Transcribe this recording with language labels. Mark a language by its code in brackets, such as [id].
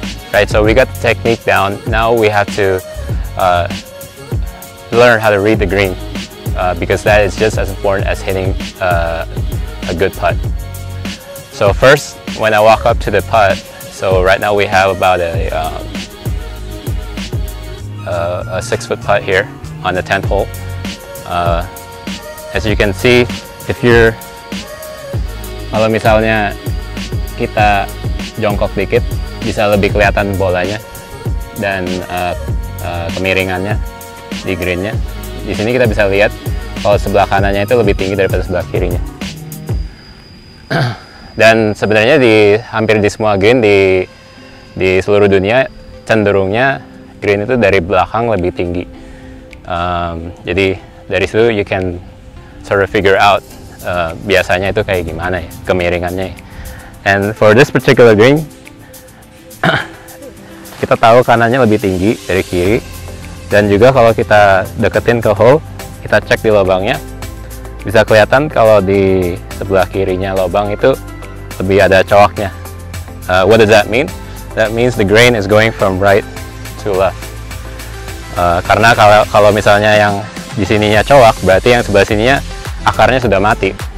[en] Right, so we got the technique down. Now we have to learn how to read the green because that is just as important as hitting a good putt. So first, when I walk up to the putt, so right now we have about a 6-foot putt here on the 10th hole. As you can see, if you're, [id] kalau misalnya kita jongkok dikit, bisa lebih kelihatan bolanya dan kemiringannya di greennya. Di sini kita bisa lihat kalau sebelah kanannya itu lebih tinggi daripada sebelah kirinya. Dan sebenarnya di hampir di semua green di seluruh dunia cenderungnya green itu dari belakang lebih tinggi. Jadi dari situ [en] you can sort of figure out [id] biasanya itu kayak gimana ya kemiringannya. [en] And for this particular green, [id] kita tahu kanannya lebih tinggi dari kiri, dan juga kalau kita deketin ke hole, kita cek di lubangnya, bisa kelihatan kalau di sebelah kirinya lubang itu lebih ada coaknya. [en] What does that mean? That means the grain is going from right to left. [id] Karena kalau misalnya yang di sininya coak, berarti yang sebelah sininya akarnya sudah mati.